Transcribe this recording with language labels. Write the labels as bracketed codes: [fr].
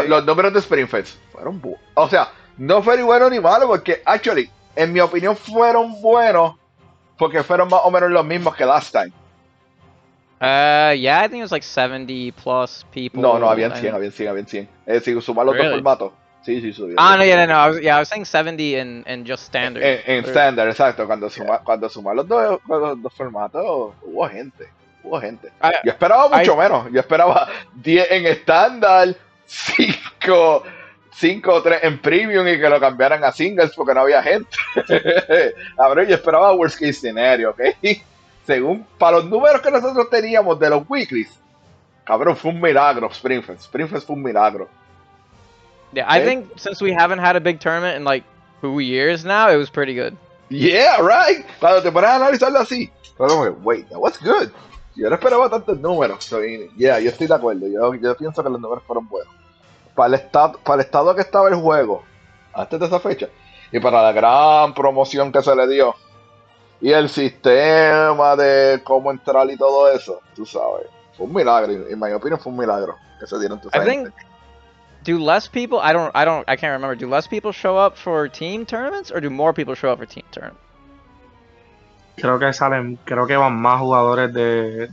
[es] Los números de Springfest fueron buenos. O sea, no fue ni bueno ni malo, porque, actually, en mi opinión fueron buenos porque fueron más o menos los mismos que [en] last time. Yeah, I think it was like 70 plus people. [es] No, habían 100. Si sumar los dos formatos. Sí, subieron. Ah, no. [en] I was saying 70 in just standard. [es] En standard, exacto. Cuando sumar los dos formatos, hubo gente. Yo esperaba mucho menos. Yo esperaba 10 en standard, 5 o 3 en premium, y que lo cambiaran a singles porque no había gente. A ver, yo esperaba [en] worst case scenario, [es] ¿ok? Según, para los números que nosotros teníamos de los weeklies, cabrón, fue un milagro, Springfest. Springfest fue un milagro. [en] Yeah, I think since we haven't had a big tournament in like 2 years now, it was pretty good. Yeah, right. [es] Cuando te pones a analizarlo así, cabrón, [en] wait, that was good. [es] Yo no esperaba tantos números. [en] So, yeah, [es] yo estoy de acuerdo. Yo pienso que los números fueron buenos. Para el estado que estaba el juego, antes de esa fecha, y para la gran promoción que se le dio, y el sistema de cómo entrar y todo eso, tú sabes. fue un milagro. [en] In my opinion, [es] fue un milagro que se dieron tu [en] gente. I think, do less people, I can't remember, do less people show up for team tournaments or do more people show up for team tournaments? [es] Creo que van más jugadores de...